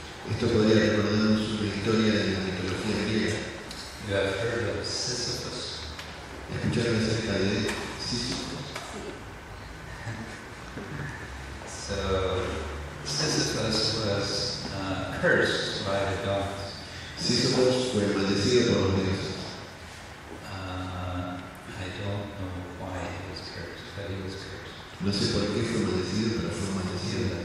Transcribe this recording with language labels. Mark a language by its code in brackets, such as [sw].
[es] Esto podría recordarnos una historia de la mitología griega. [en] You have heard of Sisyphus. [es] ¿Escucharon acerca de Sisyphus? [en] So, Sisyphus was cursed by the gods. [es] Sisyphus fue maldecido por los dioses. [en] I don't know why he was cursed, but he was cursed. [es] No sé por qué fue maldecido, pero fue maldecido.